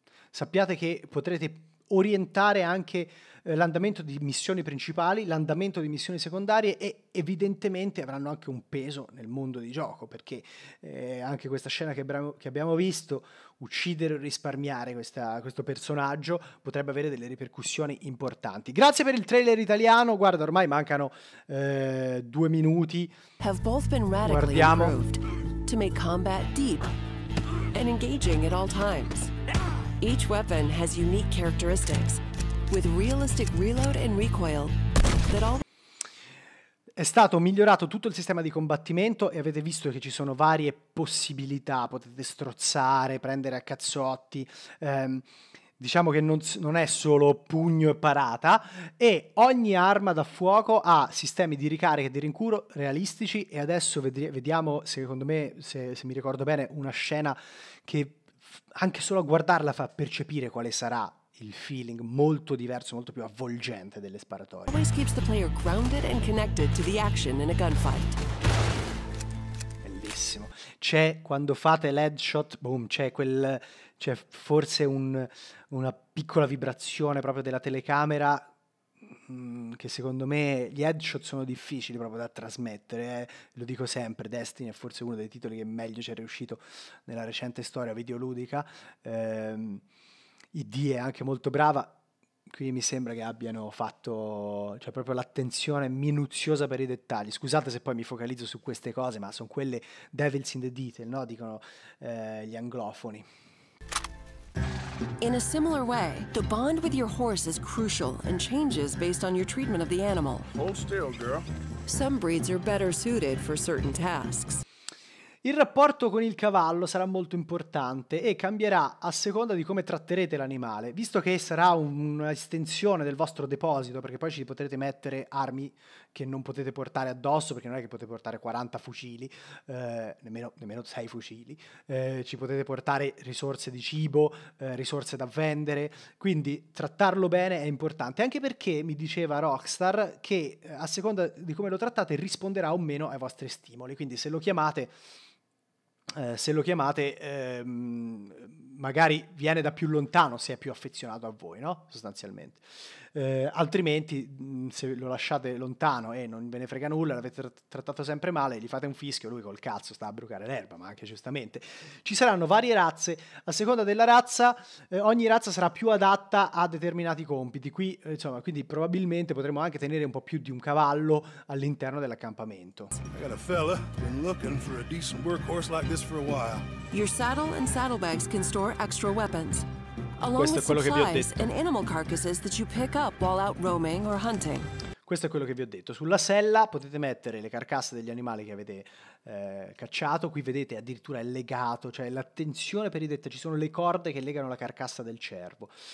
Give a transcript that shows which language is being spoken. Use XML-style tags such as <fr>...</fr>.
<it>Sappiate che potrete orientare anche l'andamento di missioni principali, l'andamento di missioni secondarie, e evidentemente avranno anche un peso nel mondo di gioco, perché anche questa scena che abbiamo visto, uccidere o risparmiare questo personaggio, potrebbe avere delle ripercussioni importanti. Grazie per il trailer italiano, guarda, ormai mancano 2 minuti.</it> <en>Have both been radically improved to make combat deep and engaging at all times. Each weapon has unique characteristics, with realistic reload and recoil that all...</en> <it>È stato migliorato tutto il sistema di combattimento e avete visto che ci sono varie possibilità, potete strozzare, prendere a cazzotti, diciamo che non è solo pugno e parata, e ogni arma da fuoco ha sistemi di ricarica e di rincuro realistici, e adesso vediamo, secondo me, se mi ricordo bene, una scena che anche solo a guardarla fa percepire quale sarà il feeling molto diverso, molto più avvolgente delle sparatorie.</it> <en>Always keeps the player grounded and connected to the action in a gunfight.</en> <it>Bellissimo. C'è quando fate l'headshot, boom, c'è forse una piccola vibrazione proprio della telecamera, che secondo me gli headshot sono difficili proprio da trasmettere, lo dico sempre, Destiny è forse uno dei titoli che meglio ci è riuscito nella recente storia videoludica. ID è anche molto brava, qui mi sembra che abbiano fatto, cioè, proprio l'attenzione minuziosa per i dettagli. Scusate se poi mi focalizzo su queste cose, ma sono quelle</it> <en>devils in the detail,</en> <it>no? Dicono gli anglofoni.</it> <en>In a similar way, the bond with your horse is crucial and changes based on your treatment of the animal. Hold still, girl. Some breeds are better suited for certain tasks.</en> <it>Il rapporto con il cavallo sarà molto importante e cambierà a seconda di come tratterete l'animale, visto che sarà un'estensione del vostro deposito, perché poi ci potrete mettere armi che non potete portare addosso, perché non è che potete portare 40 fucili, nemmeno 6 fucili, ci potete portare risorse di cibo, risorse da vendere, quindi trattarlo bene è importante, anche perché mi diceva Rockstar che a seconda di come lo trattate risponderà o meno ai vostri stimoli, quindi se lo chiamate, magari viene da più lontano se è più affezionato a voi, no? Sostanzialmente. Altrimenti, se lo lasciate lontano e non ve ne frega nulla, l'avete trattato sempre male, gli fate un fischio, lui col cazzo sta a brucare l'erba, ma anche giustamente. Ci saranno varie razze, a seconda della razza, ogni razza sarà più adatta a determinati compiti. Qui, insomma, quindi probabilmente potremo anche tenere un po' più di un cavallo all'interno dell'accampamento.</it> <en>I got a fella been looking for a decent workhorse like this for a while. Your saddle and saddlebags can store extra weapons.</en> <it>Questo è quello che vi ho detto.</it> <en>And animal carcasses that you pick up while out roaming or hunting.</en> <it>Questo è quello che vi ho detto. Sulla sella potete mettere le carcasse degli animali che avete cacciato. Qui vedete addirittura è legato, cioè l'attenzione per i dettagli. Ci sono le corde che legano la carcassa del cervo.</it>